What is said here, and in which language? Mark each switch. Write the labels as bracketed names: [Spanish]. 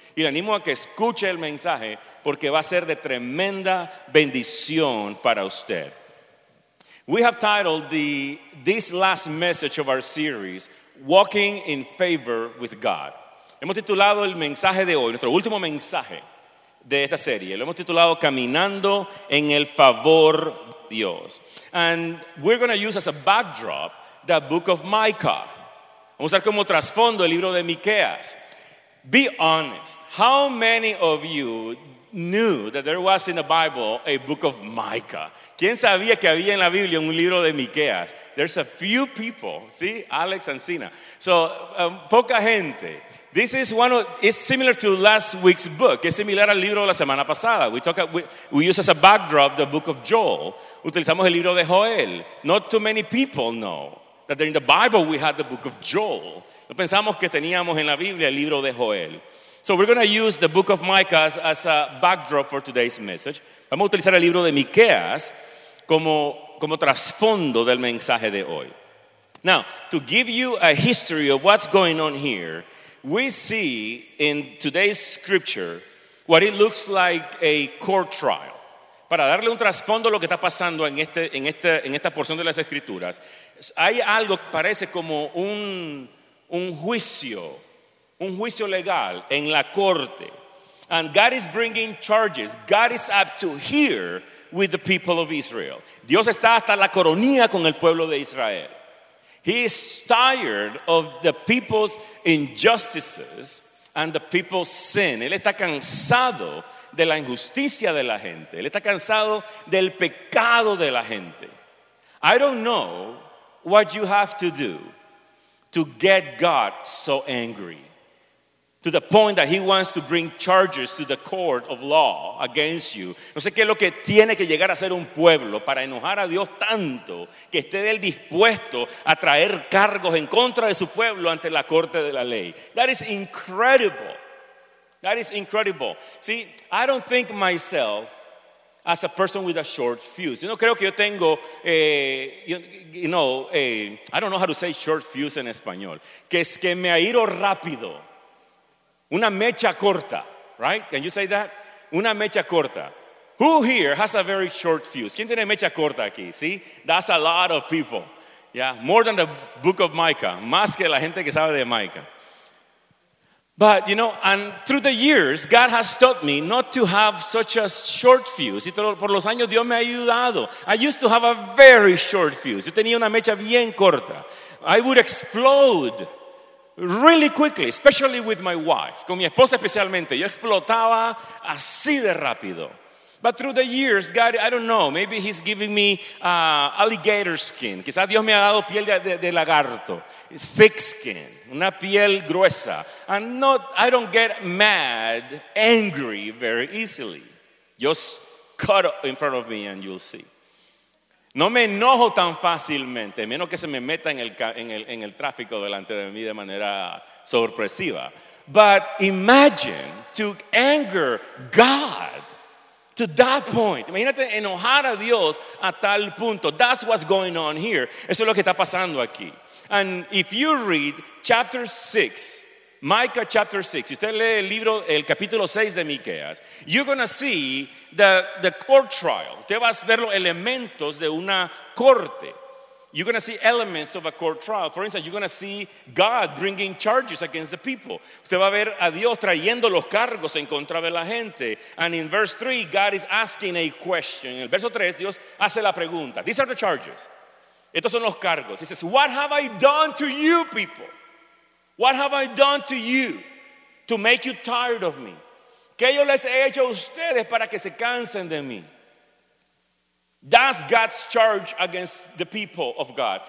[Spanish] Y le animo a que escuche el mensaje porque va a ser de tremenda bendición para usted. [English] We have titled this last message of our series, Walking in Favor with God. [Spanish] Hemos titulado el mensaje de hoy, nuestro último mensaje de esta serie. Lo hemos titulado Caminando en el Favor de Dios. [English] And we're going to use as a backdrop the book of Micah. [Spanish] Vamos a usar como trasfondo el libro de Miqueas. [English] Be honest, how many of you knew that there was in the Bible a book of Micah? [Spanish] ¿Quién sabía que había en la Biblia un libro de Miqueas? [English] There's a few people, ¿sí? Alex and Sina. So, [Spanish] poca gente. [English] This is one of, it's similar to last week's book. [Spanish] Es similar al libro de la semana pasada. [English] We use as a backdrop the book of Joel. [Spanish] Utilizamos el libro de Joel. [English] Not too many people know that in the Bible we had the book of Joel. [Spanish] No pensamos que teníamos en la Biblia el libro de Joel. [English] So we're going to use the book of Micah as a backdrop for today's message. [Spanish] Vamos a utilizar el libro de Miqueas como trasfondo del mensaje de hoy. [English] Now, to give you a history of what's going on here, we see in today's scripture what it looks like a court trial. [Spanish] Para darle un trasfondo a lo que está pasando en esta porción de las Escrituras, hay algo que parece como un juicio legal en la corte. [English] And God is bringing charges. God is up to here with the people of Israel. [Spanish] Dios está hasta la coronilla con el pueblo de Israel. [English] He is tired of the people's injustices and the people's sin. [Spanish] Él está cansado de la injusticia de la gente. Él está cansado del pecado de la gente. [English] I don't know what you have to do to get God so angry, to the point that he wants to bring charges to the court of law against you. [Spanish] No sé qué es lo que tiene que llegar a ser un pueblo para enojar a Dios tanto que esté él dispuesto a traer cargos en contra de su pueblo ante la corte de la ley. [English] That is incredible. That is incredible. See, I don't think myself as a person with a short fuse. [Spanish] Yo no creo que yo tengo, [English] I don't know how to say short fuse [Spanish] en español. Que es que me airo rápido. Una mecha corta, [English] right? Can you say that? [Spanish] Una mecha corta. [English] Who here has a very short fuse? [Spanish] ¿Quién tiene mecha corta aquí? ¿Sí? [English] That's a lot of people. Yeah, more than the book of Micah. [Spanish] Más que la gente que sabe de Micah. [English] But, you know, and through the years, God has taught me not to have such a short fuse. [Spanish] Por los años, Dios me ha ayudado. [English] I used to have a very short fuse. [Spanish] Yo tenía una mecha bien corta. [English] I would explode really quickly, especially with my wife. [Spanish] Con mi esposa especialmente. Yo explotaba así de rápido. [English] But through the years, God, I don't know, maybe he's giving me alligator skin. [Spanish] Quizás Dios me ha dado piel de lagarto. [English] Thick skin. [Spanish] Una piel gruesa. [English] And not, I don't get mad, angry very easily. Just cut in front of me and you'll see. [Spanish] No me enojo tan fácilmente, menos que se me meta en el tráfico delante de mí de manera sorpresiva. [English] But imagine to anger God to that point. [Spanish] Imagínate enojar a Dios a tal punto. [English] That's what's going on here. [Spanish] Eso es lo que está pasando aquí. [English] And if you read chapter 6, Micah chapter 6, [Spanish] si usted lee el libro, el capítulo 6 de Miqueas, [English] you're going to see the court trial. [Spanish] Usted va a ver los elementos de una corte. [English] You're going to see elements of a court trial. For instance, you're going to see God bringing charges against the people. [Spanish] Usted va a ver a Dios trayendo los cargos en contra de la gente. [English] And in verse 3, God is asking a question. [Spanish] En el verso 3, Dios hace la pregunta. [English] These are the charges. [Spanish] Estos son los cargos. [English] He says, what have I done to you, people? What have I done to you to make you tired of me? [Spanish] ¿Qué yo les he hecho a ustedes para que se cansen de mí? [English] That's God's charge against the people of God.